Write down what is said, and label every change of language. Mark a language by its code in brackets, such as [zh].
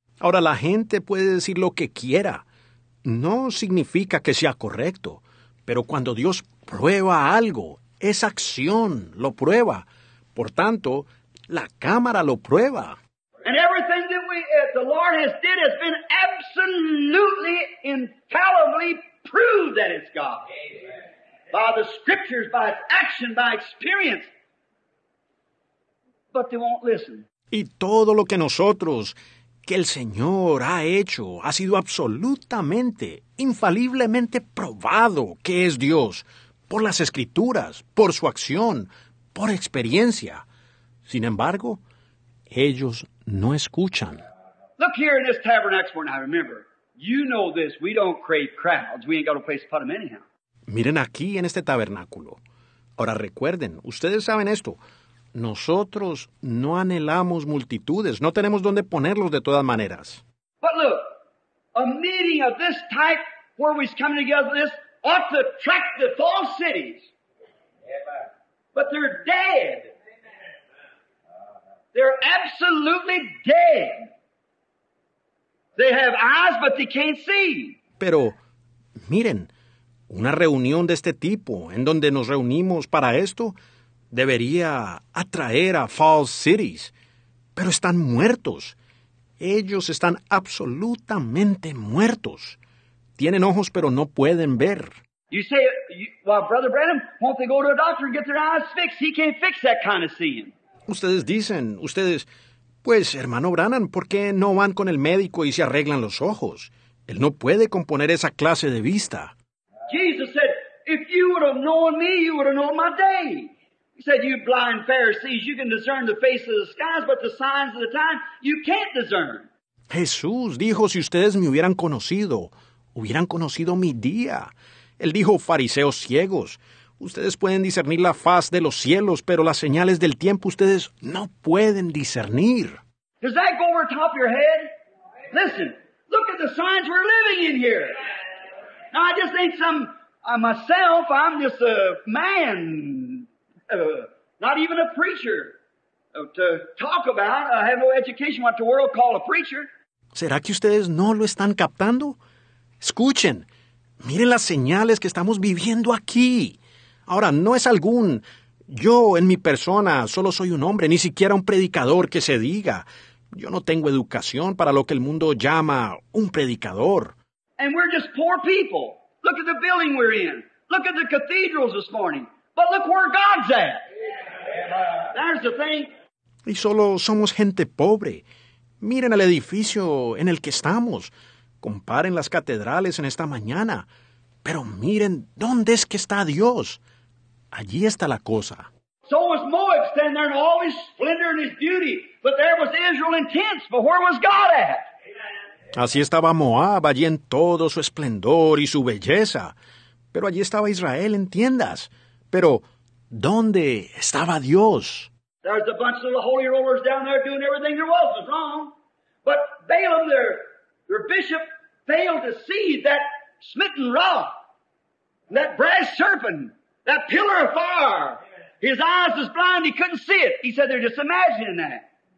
[es] Ahora, la gente puede decir lo que quiera. No significa que sea correcto. Pero cuando Dios prueba algo, esa acción lo prueba. Por tanto, la cámara lo prueba. [en] And everything that the Lord has did has been absolutely, infallibly proved that it's God. Amen. By the scriptures, by its action, by experience. But they won't listen. [es] Y todo lo que nosotros, que el Señor ha hecho, ha sido absolutamente, infaliblemente probado que es Dios, por las Escrituras, por su acción, por experiencia. Sin embargo, ellos no escuchan. [en] Look here in this tabernacle, and I remember, you know this, we don't crave crowds, we ain't got a place to put them anyhow. [es] Miren aquí en este tabernáculo. Ahora recuerden, ustedes saben esto. Nosotros no anhelamos multitudes. No tenemos dónde ponerlos de todas maneras. [en] But look, a meeting of this type where we're coming together this ought to attract the false cities. But they're dead. They're absolutely dead. They have eyes, but they can't see. [es] Pero, miren, una reunión de este tipo en donde nos reunimos para esto debería atraer a [en] false cities, [es] pero están muertos. Ellos están absolutamente muertos. Tienen ojos, pero no pueden ver. [en] You say, well, Brother Branham, won't they go to a doctor and get their eyes fixed? He can't fix that kind of seeing. [es] Ustedes dicen, ustedes, pues, hermano Branham, ¿por qué no van con el médico y se arreglan los ojos? Él no puede componer esa clase de vista. [en] Jesus said, if you would have known me, you would have known my day. He said, you blind Pharisees, you can discern the faces of the skies, but the signs of the time, you can't discern. [es] Jesús dijo, si ustedes me hubieran conocido mi día. Él dijo, fariseos ciegos, ustedes pueden discernir la faz de los cielos, pero las señales del tiempo ustedes no pueden discernir. [en] Does that go over the top of your head? Listen, look at the signs we're living in here. Now, I just ain't some, myself, I'm just a man. Not even a preacher to talk about. I have no education, what the world call a preacher. [es] ¿Será que ustedes no lo están captando? Escuchen, miren las señales que estamos viviendo aquí. Ahora, no es algún, yo en mi persona solo soy un hombre, ni siquiera un predicador que se diga. Yo no tengo educación para lo que el mundo llama un predicador. [en] And we're just poor people. Look at the building we're in. Look at the cathedrals this morning. But look where God's at. There's the thing. [es] Y solo somos gente pobre. Miren el edificio en el que estamos. Comparen las catedrales en esta mañana. Pero miren, ¿dónde es que está Dios? Allí está la cosa. [en] So was Moab standing there in all his splendor and his beauty. But there was Israel in tents. But where was God at? [es] Así estaba Moab, allí en todo su esplendor y su belleza. Pero allí estaba Israel en tiendas. Pero, ¿dónde estaba Dios? [en] There's a bunch of the holy rollers down there doing everything there was wrong. But Balaam, their bishop, failed to see that smitten rock, that brass serpent, that pillar of fire. His eyes was blind, he couldn't see it. He said, they're just imagining that.